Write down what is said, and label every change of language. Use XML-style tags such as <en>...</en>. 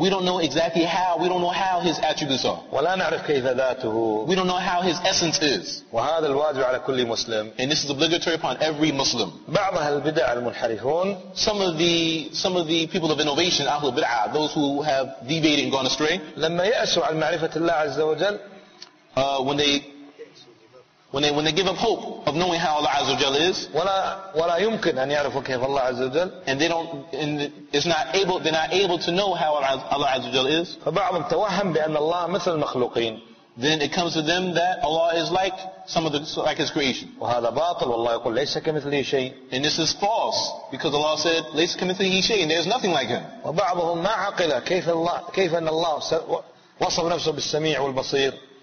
<en>We don't know exactly how. We don't know how his attributes are.</en> <ar>ولا نعرف كيف ذاته.</ar> <en>We don't know how his essence is.</en> <ar>وهذا الواجب على كل مسلم.</ar> <en>And this is obligatory upon every Muslim.</en> <ar>بعض البدع المنحرفون.</ar> <en>Some of the people of innovation,</en> <ar>أهل البدع,</ar> <en>those who have deviated and gone astray.</en> <ar>لما يأسوا عن معرفة الله عز وجل.</ar> <en>When they give up hope of knowing how Allah Azza wa Jalla is,</en> <ar>ولا يمكن أن يعرفوا كيف الله عز وجل,</ar> <en>and they're not able to know how Allah Azza wa Jalla is.</en> <ar>فبعضهم توهم بأن الله مثل المخلوقين.</ar> <en>Then it comes to them that Allah is like like His creation.</en> <ar>وهذا باطل والله يقول ليس كمثله شيء.</ar> <en>And this is false because Allah said</en> <ar>ليس كمثله شيء,</ar> <en>and there's nothing like Him.</en> <ar>وبعضهم ما عقل كيف أن الله وصف نفسه بالسميع والبصير.</ar>